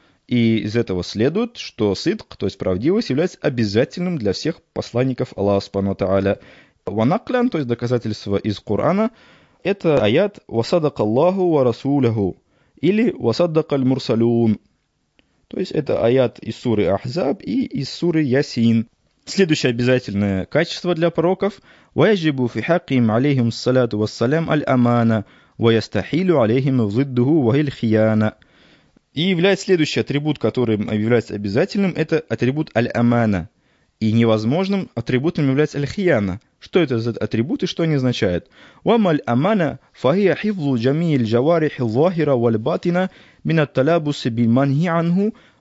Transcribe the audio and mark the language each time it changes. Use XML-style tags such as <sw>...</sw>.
<ru>И из этого следует, что сидк, то есть правдивость, является обязательным для всех посланников Аллаха Субхану Тааля.</ru> <ar>وَنَقْلًا,</ar> <ru>то есть доказательство из Корана, это аят</ru> <ar>وَصَدَقَ اللَّهُ وَرَسُولَهُ</ar> <ru>или</ru> <ar>وَصَدَقَ الْمُرْسَلُونَ.</ar> <ru>То есть это аят из суры Ахзаб и из суры Ясин. Следующее обязательное качество для пророков:</ru> <ar>وَيَجِبُ فِي حَقِّهِمْ عَلَيْهِمُ الصَّلَاةُ وَالسَّلَامُ الْأَمَانَةُ وَيَسْتَحِيلُ عَلَيْهِمْ ضِدُّهُ وَالْخِيَانَةُ.</ar> <ru>И является следующий атрибут, которым является обязательным, это атрибут аль-амана. И невозможным атрибутом является аль-хияна. Что это за атрибут и что они означают?</ru> <ar>وَمَا الْأَمَانَةُ فَهِيَ حِفْظُ جَمِيعِ الْجَوَارِحِ الظَّاهِرَ وَالْبَاطِنَةِ مِنَ التَّلَابُسِ بِالْمَنْهِي عَنْهُ.</ar>